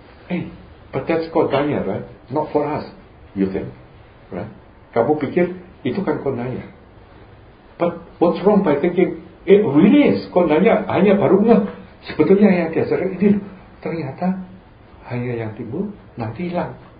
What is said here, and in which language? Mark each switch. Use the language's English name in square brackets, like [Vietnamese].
[English] Hey, but that's kodanya, right? Not for us, you think, right? [Indonesian] Kamu pikir itu kan kodanya. [English] But what's wrong by thinking it really is kodanya? [Indonesian] Hanya baru ngeh. Sebetulnya yang diajar ini ternyata hanya yang timbul nanti hilang.